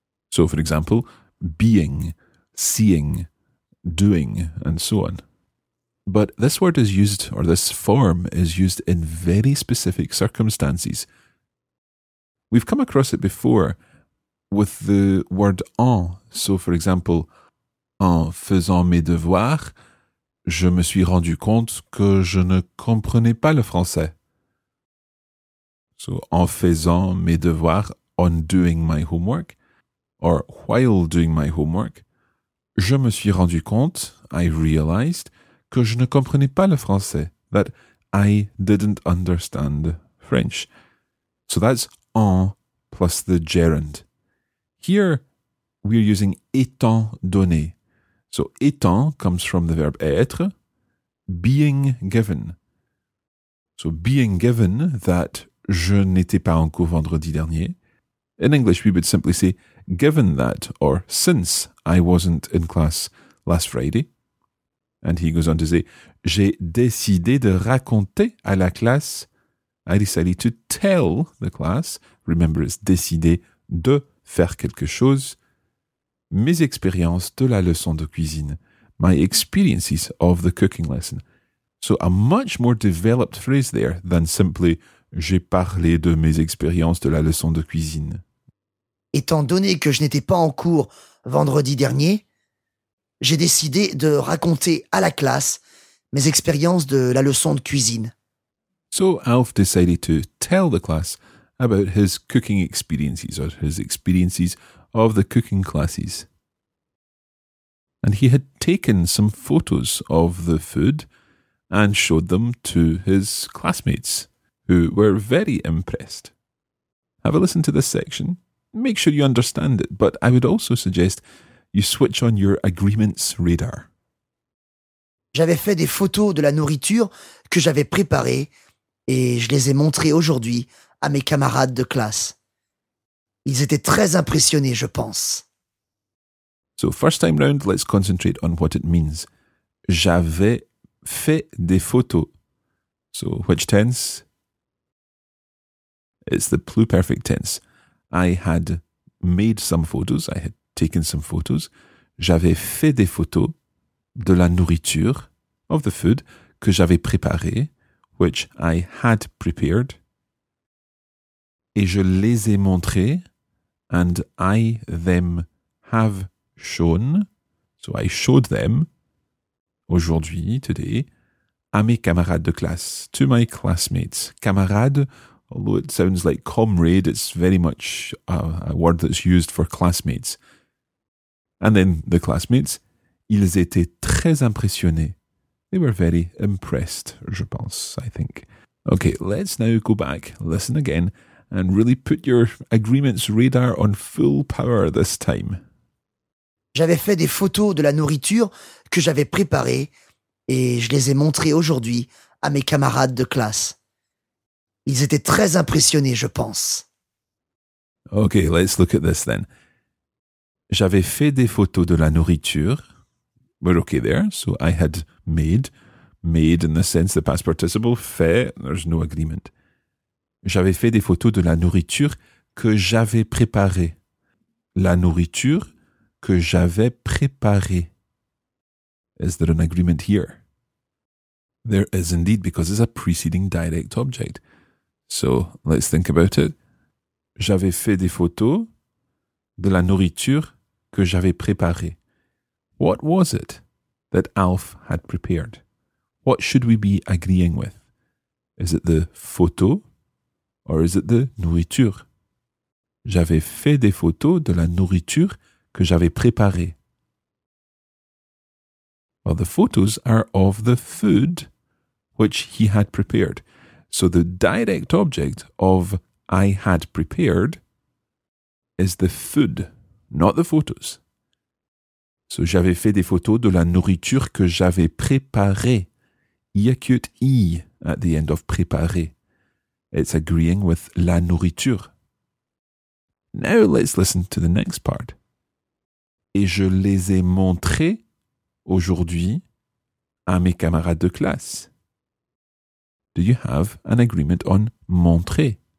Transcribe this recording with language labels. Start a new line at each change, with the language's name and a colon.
English: So, for example, being, seeing, doing, and so on. But this word is used, or this form is used, in very specific circumstances. We've come across it before with the word en.
French: So, for example, en faisant mes devoirs, je me suis rendu compte que je ne comprenais pas le français.
English: So,
French: en faisant mes devoirs,
English: on doing my homework, or while doing my homework,
French: je me suis rendu compte,
English: I realized,
French: que je ne comprenais pas le français,
English: that I didn't understand French. So that's en plus the gerund. Here, we're using étant donné. So étant comes from the verb être, being given. So being given that
French: je n'étais pas en cours vendredi dernier.
English: In English, we would simply say, given that, or since I wasn't in class last Friday. And he goes on to say,
French: j'ai décidé de raconter à la classe.
English: I decided to tell the class. Remember, it's
French: décider de faire quelque chose. Mes expériences de la leçon de cuisine.
English: My experiences of the cooking lesson. So a much more developed phrase there than simply,
French: j'ai parlé de mes expériences de la leçon de cuisine. Étant donné que je n'étais pas en cours vendredi dernier, j'ai décidé de raconter à la classe mes expériences de la leçon de cuisine.
English: So Alf decided to tell the class about his cooking experiences or his experiences of the cooking classes. And he had taken some photos of the food and showed them to his classmates, who were very impressed. Have a listen to this section. Make sure you understand it, but I would also suggest you switch on your agreements radar.
French: J'avais fait des photos de la nourriture que j'avais préparée et je les ai montrées aujourd'hui à mes camarades de classe. Ils étaient très impressionnés, je pense.
English: So, first time round, let's concentrate on what it means.
French: J'avais fait des photos.
English: So, which tense? It's the pluperfect tense. I had made some photos, I had taken some photos.
French: J'avais fait des photos de la nourriture,
English: of the food,
French: que j'avais préparé,
English: which I had prepared.
French: Et je les ai montrées,
English: and I them have shown, so I showed them,
French: aujourd'hui,
English: today,
French: à mes camarades de classe,
English: to my classmates, camarades. Although it sounds like comrade, it's very much a word that's used for classmates. And then the classmates,
French: ils étaient très impressionnés.
English: They were very impressed,
French: je pense,
English: I think. Okay, let's now go back, listen again, and really put your agreements radar on full power this time.
French: J'avais fait des photos de la nourriture que j'avais préparée et je les ai montrées aujourd'hui à mes camarades de classe. Ils étaient très impressionnés, je pense.
English: Okay, let's look at this then.
French: J'avais fait des photos de la nourriture.
English: We're okay there. So I had made in the sense the past participle, fait, there's no agreement.
French: J'avais fait des photos de la nourriture que j'avais préparée. La nourriture que j'avais préparée.
English: Is there an agreement here? There is indeed, because it's a preceding direct object. So, let's think about it.
French: J'avais fait des photos de la nourriture que j'avais préparée.
English: What was it that Alf had prepared? What should we be agreeing with? Is it the photo or is it the nourriture?
French: J'avais fait des photos de la nourriture que j'avais préparée.
English: Well, the photos are of the food which he had prepared. So the direct object of I had prepared is the food, not the photos.
French: So j'avais fait des photos de la nourriture que j'avais préparée.
English: I acute I at the end of préparer. It's agreeing with la nourriture. Now let's listen to the next part.
French: Et je les ai montrées aujourd'hui à mes camarades de classe.
English: Do you have an agreement on montrer?